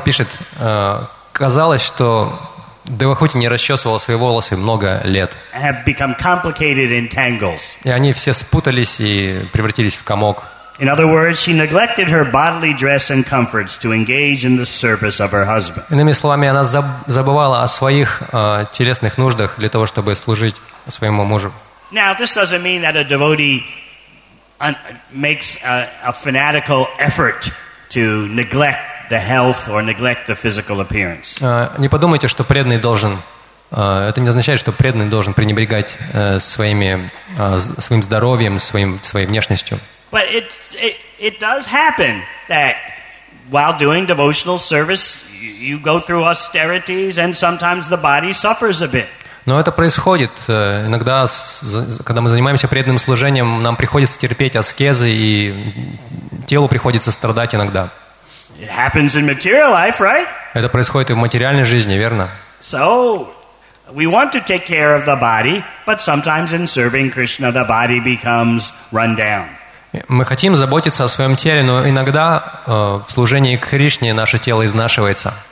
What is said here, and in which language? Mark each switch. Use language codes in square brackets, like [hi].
[ru] пишет, казалось, что Девахути не расчесывал свои волосы много лет. [en] Have become complicated in tangles. [ru] И они все спутались и превратились в комок. [en] In other words, she neglected her bodily dress and comforts to engage in the service of her husband. [ru] Иными словами, она забывала о своих телесных нуждах для того, чтобы служить своему мужу. [en] Now, this doesn't mean that a devotee makes a fanatical effort to neglect the health or neglect the physical appearance. [ru] Не подумайте, что преданный должен. Это не означает, что преданный должен пренебрегать своим здоровьем, своей внешностью. [en] But it does happen that while doing devotional service, you go through austerities, and sometimes the body suffers a bit. [ru] Но это происходит. Иногда, когда мы занимаемся преданным служением, нам приходится терпеть аскезы, и телу приходится страдать иногда. [en] It happens in material life, right? [ru] Это происходит и в материальной жизни, верно? [en] So, we want to take care of the body, but sometimes in serving Krishna, the body becomes run down. [ru] Мы хотим заботиться о своем теле, но иногда в служении Кришне наше тело изнашивается.